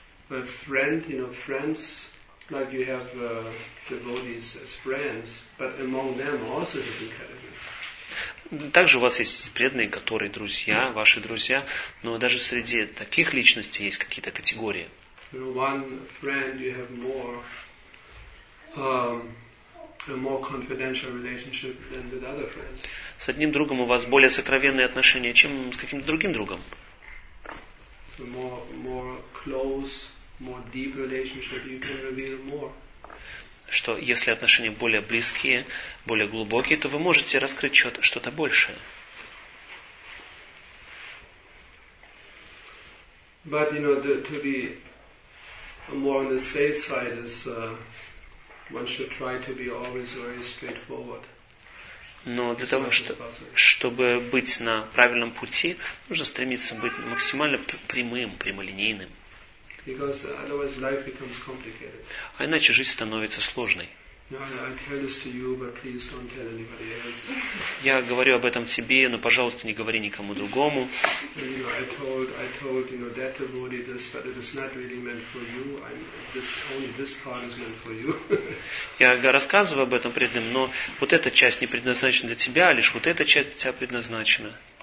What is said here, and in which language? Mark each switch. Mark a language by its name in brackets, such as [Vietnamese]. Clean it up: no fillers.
[English] A friend, you know, friends, like you have devotees as friends, but among them also different categories. [Russian] Также у вас есть преданные, которые друзья, ваши друзья, но даже среди таких личностей есть какие-то категории. [English] You know, one friend, you have more a more confidential relationship than with other friends. [Russian] С одним другом у вас более сокровенные отношения, чем с каким-то другим другом. [English] So more close. More deep relationship, you can reveal more. [Russian] Что если отношения более близкие, более глубокие, то вы можете раскрыть что-то большее. [English] But you know, to be more on the safe side is one should try to be always very straightforward. [Russian] Но для того, чтобы быть на правильном пути, нужно стремиться быть максимально прямым, прямолинейным. [English] Because otherwise life becomes complicated. [Russian] А иначе жизнь становится сложной. [English] No, I tell this to you, but please don't tell anybody else. [Russian] Я говорю об этом тебе, но, пожалуйста, не говори никому другому. [English] You know, I told you know, that to worry this, but it is not really meant for you. Only this part is meant for you. [Russian] Я рассказываю об этом преданным, но вот эта часть не предназначена для тебя, а лишь вот эта часть для тебя предназначена.